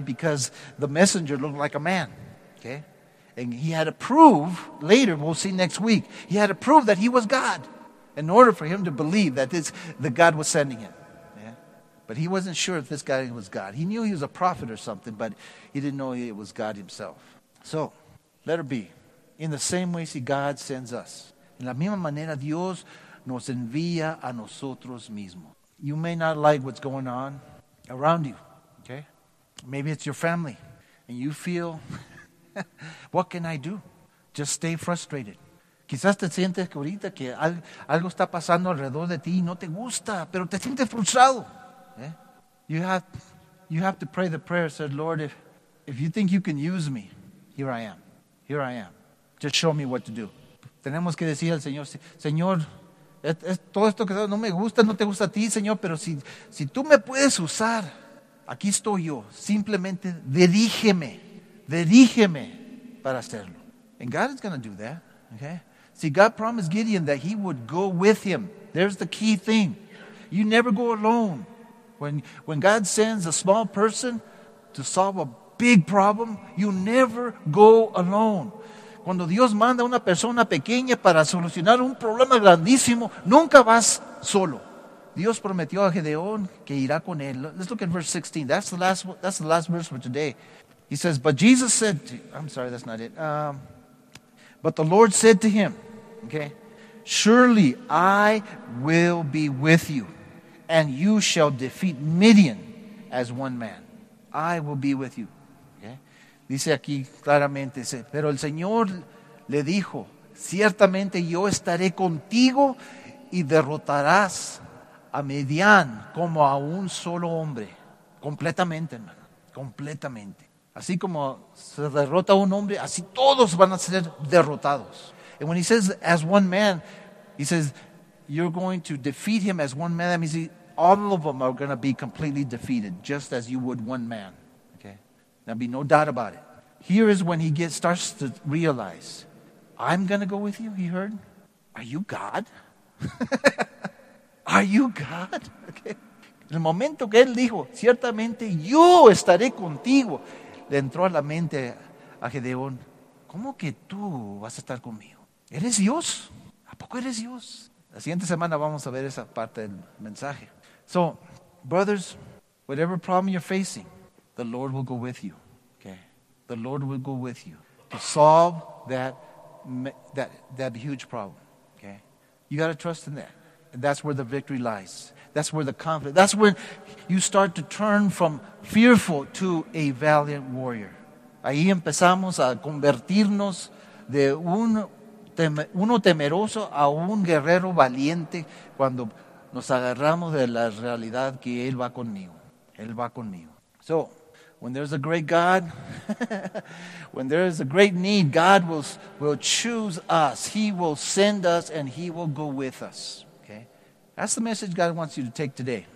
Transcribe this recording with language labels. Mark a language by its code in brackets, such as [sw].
[en] Because the messenger looked like a man, okay? And he had to prove later, we'll see next week, he had to prove that he was God in order for him to believe that that God was sending him. Yeah? But he wasn't sure if this guy was God. He knew he was a prophet or something, but he didn't know it was God himself. So, letter B. In the same way, see, God sends us. [es] En la misma manera, Dios nos envía a nosotros mismos. [en] You may not like what's going on around you, okay? Maybe it's your family, and you feel, what can I do? Just stay frustrated. [es] Quizás te sientes que ahorita que algo está pasando alrededor de ti y no te gusta, pero te sientes frustrado. [en] Yeah? You have to pray the prayer, said, Lord, if you think you can use me, here I am. Here I am. Just show me what to do. [es] Tenemos que decir al Señor, Señor, todo esto que no me gusta, no te gusta a ti, Señor, pero si tú me puedes usar, aquí estoy yo. Simplemente dirígeme para hacerlo. [en] And God is going to do that, okay? See, God promised Gideon that he would go with him. There's the key thing. You never go alone. When God sends a small person to solve a big problem, you never go alone. [es] Cuando Dios manda a una persona pequeña para solucionar un problema grandísimo, nunca vas solo. Dios prometió a Gedeón que irá con él. [en] Let's look at verse 16. That's the last verse for today. He says, but Jesus said to him, I'm sorry, that's not it. But the Lord said to him, okay, surely I will be with you, and you shall defeat Midian as one man. I will be with you. [es] Dice aquí claramente, pero el Señor le dijo, ciertamente yo estaré contigo y derrotarás a Midian como a un solo hombre. Completamente, hermano, completamente. Así como se derrota un hombre, así todos van a ser derrotados. [en] And when he says, as one man, he says, you're going to defeat him as one man. That means all of them are going to be completely defeated, just as you would one man. There'll be no doubt about it. Here is when he starts to realize, I'm going to go with you, he heard. Are you God? Are you God? Okay. [es] El momento que él dijo, ciertamente yo estaré contigo, le entró a la mente a Gedeón, ¿cómo que tú vas a estar conmigo? ¿Eres Dios? ¿A poco eres Dios? La siguiente semana vamos a ver esa parte del mensaje. [en] So, brothers, whatever problem you're facing, the Lord will go with you, okay? The Lord will go with you to solve that huge problem, okay? You got to trust in that. And that's where the victory lies. That's where the confidence, that's when you start to turn from fearful to a valiant warrior. [es] Ahí empezamos a convertirnos de uno temeroso a un guerrero valiente cuando nos agarramos de la realidad que Él va conmigo. Él va conmigo. [en] So, when there's a great God, when there is a great need, God will choose us. He will send us and He will go with us. Okay? That's the message God wants you to take today.